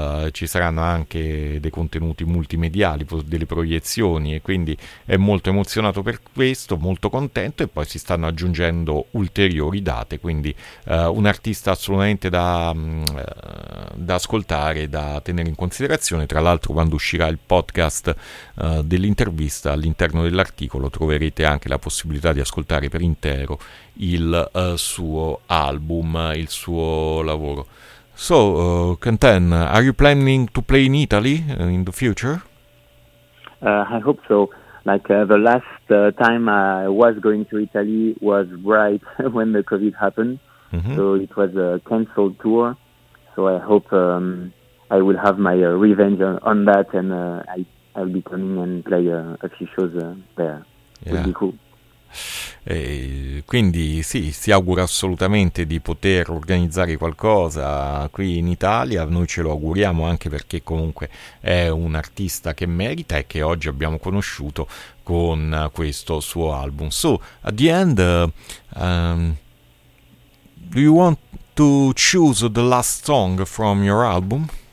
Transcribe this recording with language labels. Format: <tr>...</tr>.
<it>Ci saranno anche dei contenuti multimediali, delle proiezioni, e quindi è molto emozionato per questo, molto contento, e poi si stanno aggiungendo ulteriori date, quindi un artista assolutamente da ascoltare, da tenere in considerazione. Tra l'altro, quando uscirà il podcast dell'intervista, all'interno dell'articolo troverete anche la possibilità di ascoltare per intero il suo album, il suo lavoro.</it> <en>So, Quentin, are you planning to play in Italy in the future? I hope so. Like the last time I was going to Italy was right when the COVID happened. Mm-hmm. So it was a cancelled tour. So I hope I will have my revenge on that, and I'll be coming and play a few shows there. Yeah. Would be cool.</en> <it>E quindi sì, si augura assolutamente di poter organizzare qualcosa qui in Italia. Noi ce lo auguriamo, anche perché comunque è un artista che merita e che oggi abbiamo conosciuto con questo suo album.</it> <en>So, at the end, do you want to choose the last song from your album?</en>